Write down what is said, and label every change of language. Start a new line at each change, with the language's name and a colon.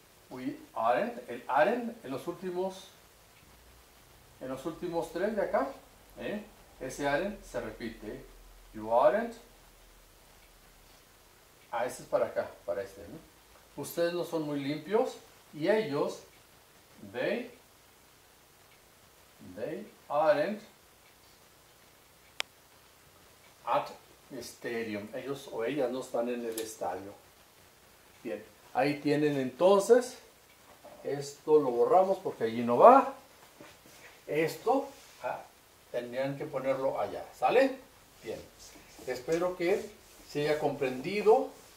English: We aren't.
Spanish: El aren't en los últimos. En los últimos tres de acá, ese aren't se repite.
English: You aren't.
Spanish: Ah, ese es para acá, para este. ¿No? Ustedes no son muy limpios. Y ellos,
English: they aren't at the stadium.
Spanish: Ellos o ellas no están en el estadio. Bien, ahí tienen entonces. Esto lo borramos porque allí no va. Esto tendrían que ponerlo allá, ¿sale? Bien, espero que se haya comprendido.